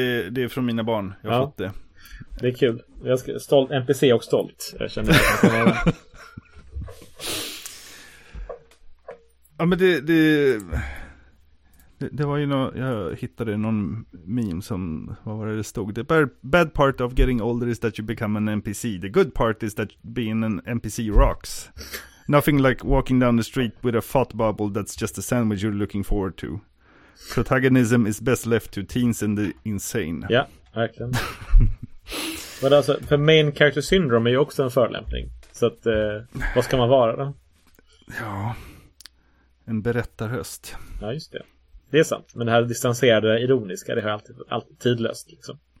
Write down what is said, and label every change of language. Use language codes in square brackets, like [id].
[sv] Det är från mina barn. Jag har fått det. Det är kul. Jag är stolt, NPC och stolt. Jag känner att jag kan vara. Ja, men det var ju nå, jag hittade någon meme som, vad var det det stod? [en] The bad part of getting older is that you become an NPC. The good part is that being an NPC rocks. Nothing like walking down the street with a thought bubble that's just a sandwich you're looking forward to. Protagonism is best left to teens and the insane. [sv] Ja, verkligen. Men alltså, för main character syndrome är ju också en förlämpning. Så att, vad ska man vara då? Ja, en berättarröst. Ja, just det. Det är sant. Men det här distanserade, ironiska, det har jag alltid tidlöst liksom.